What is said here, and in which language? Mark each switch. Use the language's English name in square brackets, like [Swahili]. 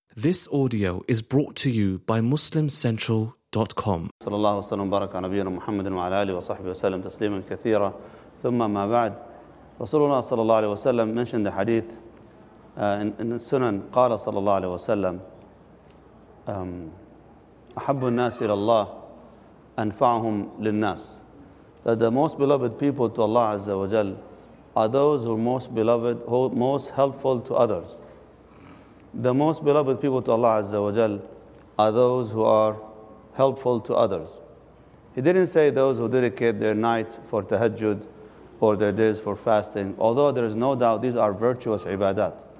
[English] This audio is brought to you by MuslimCentral.com. [Arabic] صلى الله وسلم وبارك على نبينا محمد وعلى آله وصحبه وسلم تسليما كثيرا. ثم ما بعد، رسول الله صلى الله عليه وسلم [English] mentioned the hadith in Sunan. [Arabic] قال صلى الله عليه وسلم أحب الناس إلى الله أنفعهم للناس. [English] That the most beloved people to Allah Azza wa Jal are those who are most beloved, who are most helpful to others. The most beloved people to Allah Azza wa Jal are those who are helpful to others. He didn't say those who dedicate their nights for tahajjud or their days for fasting, although there is no doubt these are virtuous ibadat.